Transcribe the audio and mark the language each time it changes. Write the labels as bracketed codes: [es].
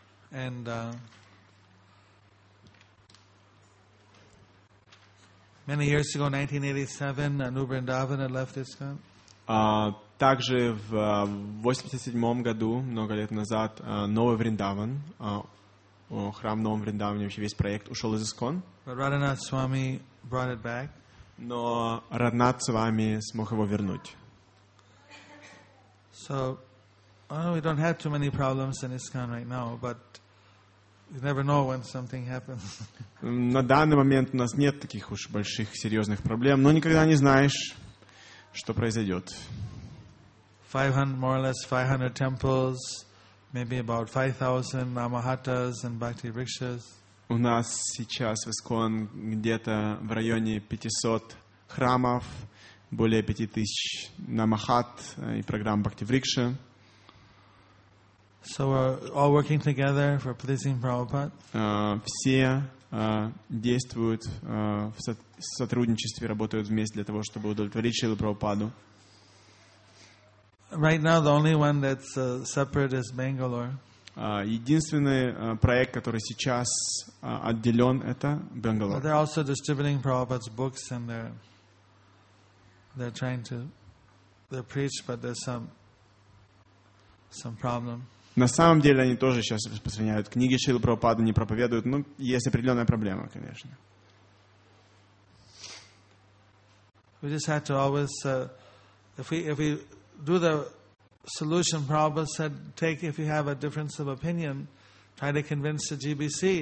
[en] And many years ago, 1987, Anu Vrindavan had left ISKCON. [ru] Также в 87 году, много лет назад, Новый Вриндаван, храм Новом Вриндаване, вообще весь проект ушел из ISKCON. [en] But Radhanath Swami brought it back. [ru] Но Раднат Свами смог его вернуть. [en] So, we don't have too many problems in ISKCON right now, but you never know when something happens. [ru] На данный момент у нас нет таких уж больших серьезных проблем, но никогда не знаешь, что произойдет. [en] 500, more or less 500 temples, maybe about 5,000 Namahattas and Bhakti Rikshas. [ru] У нас сейчас в ISKCON где-то в районе 500 храмов, более 5000 намахат и программ Бхакти-врикши. [en] So we're all working together for pleasing Prabhupada. [ru] Все действуют в сотрудничестве, работают вместе для того, чтобы удовлетворить Шрилу Прабхупаду. [en] Right now the only one that's separate is Bangalore. [ru] Единственный проект, который сейчас отделен, это Бангалор. [en] But they're also distributing Prabhupada's books and they're trying to preach, but there's some problem. [ru] На самом деле они тоже сейчас распространяют книги Шрилы Прабхупады, не проповедуют, но есть определенная проблема, конечно. [en] We just have to always if we do the solution, Prabhupada said, take if you have a difference of opinion, try to convince the GBC.